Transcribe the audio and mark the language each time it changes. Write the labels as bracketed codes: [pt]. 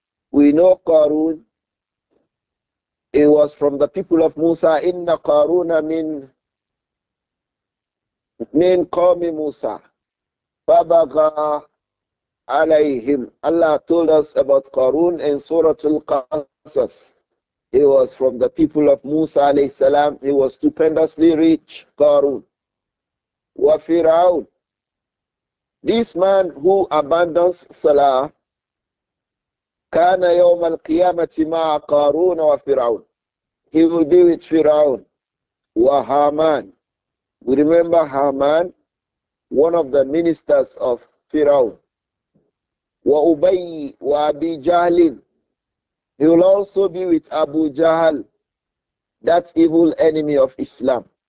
[en] We know Qarun, it was from the people of Musa, [ar] inna Qaruna min qawmi Musa fabagha alayhim. [en] Allah told us about Qarun in Suratul Qasas. He was from the people of Musa alayhi salam. He was stupendously rich, Qarun. Wa Fir'aun. This man who abandons Salah, [ar] كان يوم القيامة مع قارون وفرعون. [en] He will be with Firaun and Haman. We remember Haman, one of the ministers of Firaun. [ar] وأبي وأبي جهل. [en] He will also be with Abu Jahl, that evil enemy of Islam.